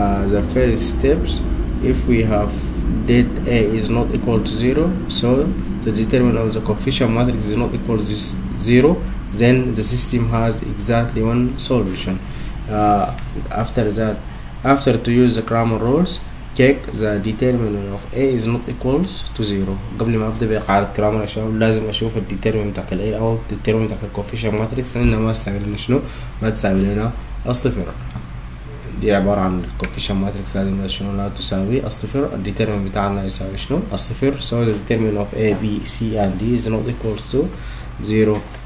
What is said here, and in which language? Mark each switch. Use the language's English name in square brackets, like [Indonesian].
[English] The first steps, if we have that A is not equal to 0, so the determinant of the coefficient matrix is not equal to 0, then the system has exactly one solution. After that, after to use the Cramer rules, check the determinant of A is not equals to 0. [Arabic] قبل ما ابدا بقاعدة كرامر يا شباب لازم اشوف الديترمينت بتاعت ال A او الديترمينت بتاعت ال coefficient matrix لان ما تساوي لنا شنو؟ ما تساوي لنا الصفر. دي عبارة عن ال coefficient matrix لازم شنو؟ لا تساوي الصفر. الديترمينت بتاعنا يساوي شنو؟ الصفر. [English] So the determinant of A, B, C and D is not equals to 0.